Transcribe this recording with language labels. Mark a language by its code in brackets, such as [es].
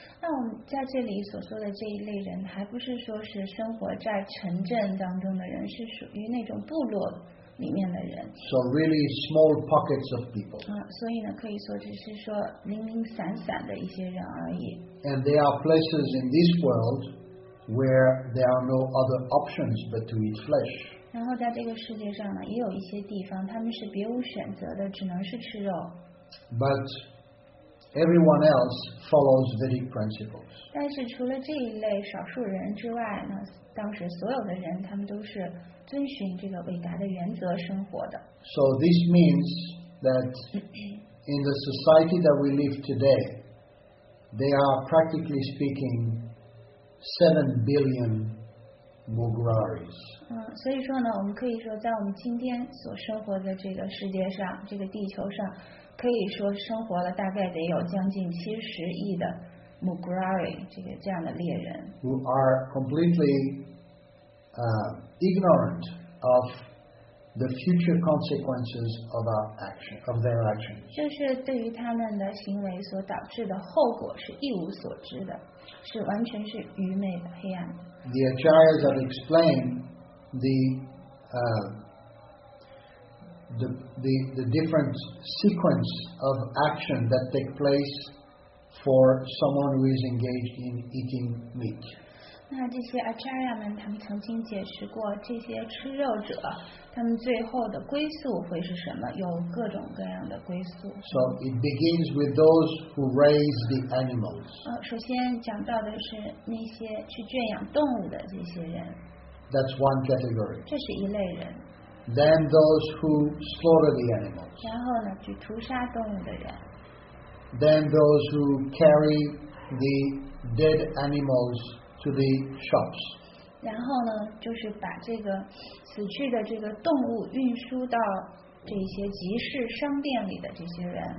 [zh] 那我们在这里所说的这一类人，还不是说是生活在城镇当中的人，是属于那种部落里面的人。 [en] So really small pockets of people. [zh] 所以呢，可以说只是说零零散散的一些人而已。 [en] And there are places in this world where there are no other options but to eat flesh. [zh] 然后在这个世界上呢，也有一些地方他们是别无选择的，只能是吃肉。 [en] But Everyone else follows Vedic principles. [zh] 但是除了这一类少数人之外呢，当时所有的人他们都是遵循这个伟达的原则生活的。 [en] So this means that in the society that we live today, they are practically speaking 7 billion Mugraris. [zh] 所以说呢，我们可以说在我们今天所生活的这个世界上，这个地球上。可以说生活了大概得有将近70亿的 Mugrari 这样的猎人 [en] ，who are completely ignorant of the future consequences of our action, of their action. [zh] 就是对于他们的行为所导致的后果是一无所知的，是完全是愚昧的黑暗。 [en] The Acharyas have explained the different sequence of action that take place for someone who is engaged in eating meat. [zh] 那这些 Acharya 们他们曾经解释过这些吃肉者他们最后的归宿会是什么，有各种各样的归宿。 [en] So it begins with those who raise the animals. [zh] 首先讲到的是那些去圈养动物的这些人。 [en] That's one category. [zh] 这是一类人。 [en] Then those who slaughter the animals. [zh] 然后呢，去屠杀动物的人。 [en] Then those who carry the dead animals to the shops. [zh] 然后呢，就是把这个死去的这个动物运输到这些集市商店里的这些人。